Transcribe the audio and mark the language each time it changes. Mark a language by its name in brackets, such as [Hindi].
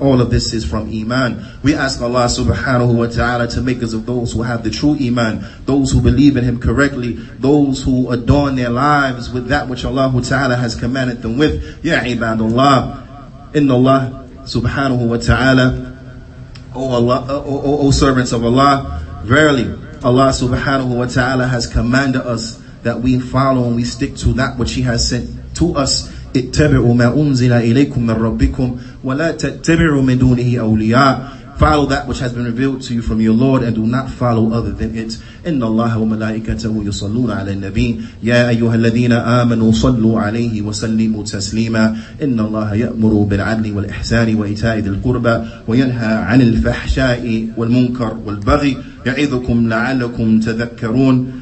[English] All of this is from Iman. We ask Allah subhanahu wa ta'ala to make us of those who have the true Iman, those who believe in Him correctly, those who adorn their lives with that which Allah ta'ala has commanded them with. [Arabic] Ya ibadullah, inna Allah subhanahu wa ta'ala, [English] O servants of Allah, verily Allah subhanahu wa ta'ala has commanded us that we follow and we stick to that which He has sent to us. [Arabic] اتبعوا ما أنزل إليكم من ربكم ولا تتبعوا من دونه أولياء. [English] Follow that which has been revealed to you from your Lord and do not follow other than it. [Arabic] إن الله وملائكته يصلون على النبي يا أيها الذين آمنوا صلوا عليه وسلموا تسليما. إن الله يأمر بالعدل والإحسان وإيتاء ذي القربى وينهى عن الفحشاء والمنكر والبغي يعظكم لعلكم تذكرون.